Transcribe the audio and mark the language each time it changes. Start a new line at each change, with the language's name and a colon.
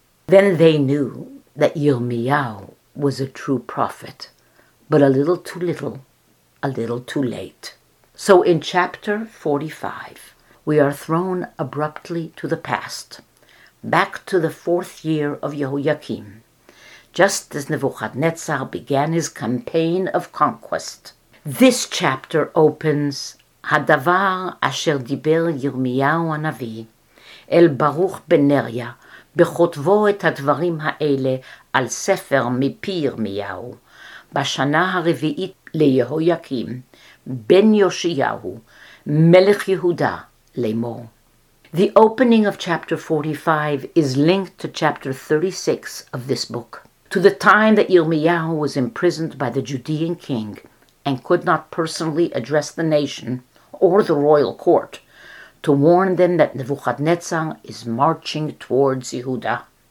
English: Then they knew that Yirmiyahu was a true prophet, but a little too little, a little too late. So in chapter 45, we are thrown abruptly to the past, back to the fourth year of Jehoiakim, just as Nebuchadnezzar began his campaign of conquest. This chapter opens,
Hebrew: Hadavar asher diber Yirmiyahu Anavi, אל ברוך בנריה, בכותבו את הדברים האלה על ספר מפי ירמיהו, בשנה הרביעית ליהויקים, בן יושיהו, מלך יהודה, לאמור.
English: The opening of chapter 45 is linked to chapter 36 of this book, to the time that Yirmiyahu was imprisoned by the Judean king and could not personally address the nation or the royal court, to warn them that Nebuchadnezzar is marching towards Yehuda.